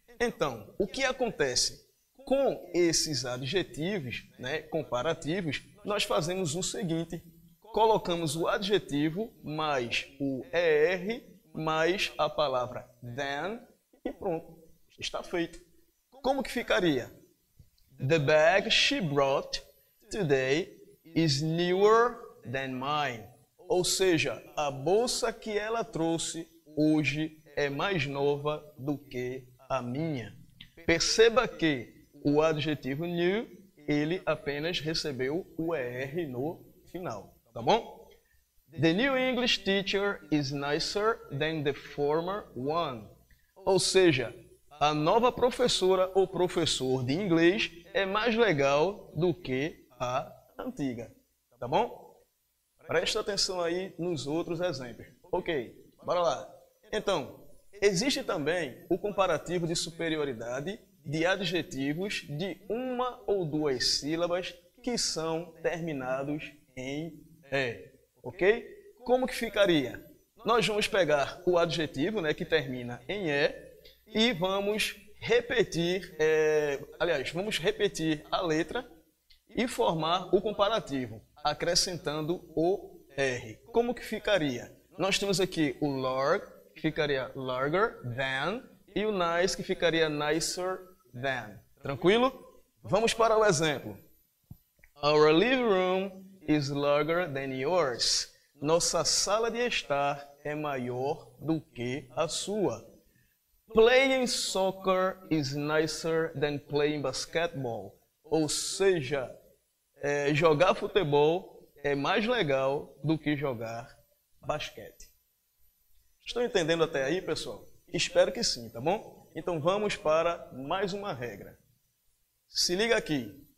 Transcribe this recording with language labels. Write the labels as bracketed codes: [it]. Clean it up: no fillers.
[pt] Então, o que acontece? Com esses adjetivos, né, comparativos, nós fazemos o seguinte, colocamos o adjetivo mais o er mais a palavra than e pronto, está feito. Como que ficaria? [en] The bag she brought today is newer than mine. [pt] Ou seja, a bolsa que ela trouxe hoje é mais nova do que a minha. Perceba que o adjetivo new, ele apenas recebeu o er no final, tá bom? [en] The new English teacher is nicer than the former one. [pt] Ou seja, a nova professora ou professor de inglês é mais legal do que a antiga, tá bom? Presta atenção aí nos outros exemplos. Ok, bora lá. Então, existe também o comparativo de superioridade de adjetivos de uma ou duas sílabas que são terminados em E, ok? Como que ficaria? Nós vamos pegar o adjetivo, né, que termina em E e vamos repetir, vamos repetir a letra e formar o comparativo, acrescentando o R. Como que ficaria? Nós temos aqui o large, que ficaria [en] larger than, [pt] e o nice, que ficaria [en] nicer than. [pt] Tranquilo? Vamos para o exemplo. [en] Our living room is larger than yours. [pt] Nossa sala de estar é maior do que a sua. [en] Playing soccer is nicer than playing basketball. [pt] Ou seja, jogar futebol é mais legal do que jogar basquete. Estão entendendo até aí, pessoal? Espero que sim, tá bom? Então, vamos para mais uma regra. Se liga aqui.